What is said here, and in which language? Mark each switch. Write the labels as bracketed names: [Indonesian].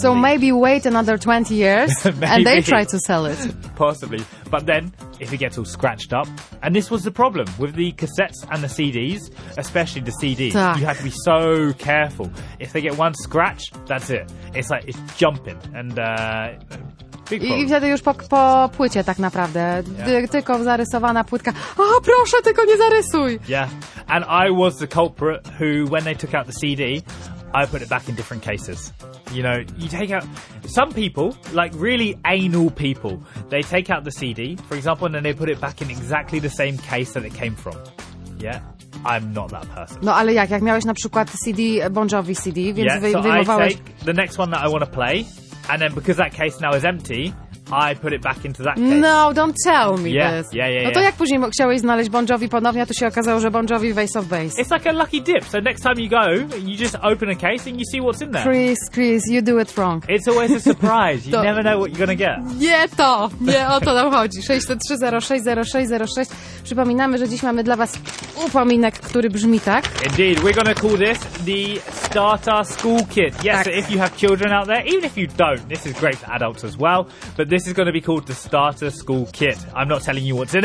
[English] So maybe wait another 20 years and they try to sell it. Possibly. But then, if it gets all scratched up, and this was the problem with the cassettes and the CDs, especially the CDs, you have to be so careful. If they get one scratch, that's it. It's like, it's jumping. And [Polish] I wtedy już po płycie tak naprawdę. Yeah. Tylko zarysowana płytka. O, proszę, tylko nie zarysuj. [English] Yeah. And I was the culprit who, when they took out the CD, I put it back in different cases. You know, you take out... Some people, like really anal people, they take out the CD, for example, and then they put it back in exactly the same case that it came from. Yeah? I'm not that person. [Polish] No, ale jak miałeś na przykład CD, Bon Jovi CD, więc wyjmowałeś... [English] Yeah, so I take the next one that I want to play, and then because that case now is empty, I put it back into that case. No, don't tell me this. Yeah. [Polish] No to jak później chciałeś znaleźć Bon Jovi ponownie, a tu się okazało, że Bon Jovi Ace of Base. [English] It's like a lucky dip. So next time you go, you just open a case and you see what's in there. Chris, you do it wrong. It's always a surprise. You never know what you're gonna get. [Polish] Nie o to nam chodzi. 603-060606. Przypominamy, że dziś mamy dla was upominek, który brzmi tak. [English] Indeed, we're gonna call this the Starter School Kit. Yes, [Polish] tak. [English] So if you have children out there, even if you don't, this is great for adults as well, but this is going to be called the Starter School Kit. I'm not telling you what's in it.